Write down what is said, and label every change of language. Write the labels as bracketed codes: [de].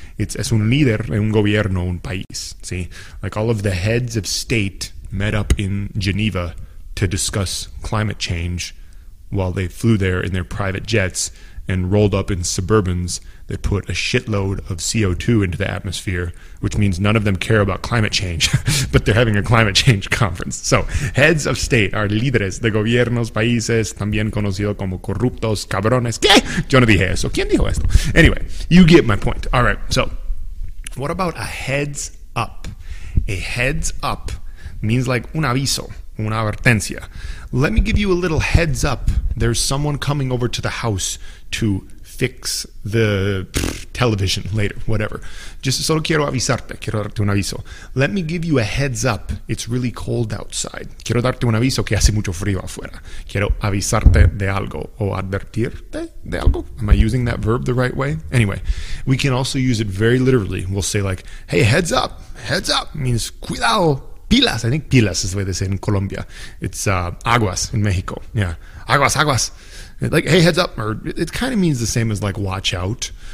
[en] It's es un líder en un gobierno, un país. See, like all of the heads of state met up in Geneva to discuss climate change while they flew there in their private jets and rolled up in Suburbans that put a shitload of CO2 into the atmosphere, which means none of them care about climate change, but they're having a climate change conference. [es] So heads of state are líderes de gobiernos, países, también conocido como corruptos, cabrones. ¿Qué? Yo no dije eso. ¿Quién dijo esto? Anyway, you get my point. [en] All right, so what about a heads up? A heads up means like un aviso, una advertencia. Let me give you a little heads up. There's someone coming over to the house to fix the television later, whatever. Just solo quiero avisarte, quiero darte un aviso. Let me give you a heads up. [es] It's really cold outside. Quiero darte un aviso que hace mucho frío afuera. Quiero avisarte de algo o advertirte de algo. [en] Am I using that verb the right way? Anyway, we can also use it very literally. We'll say like, hey, heads up means cuidado. Pilas, I think pilas is the way they say in Colombia. It's aguas in Mexico. Yeah, aguas, aguas. Like, hey, heads up. Or it kind of means the same as like watch out.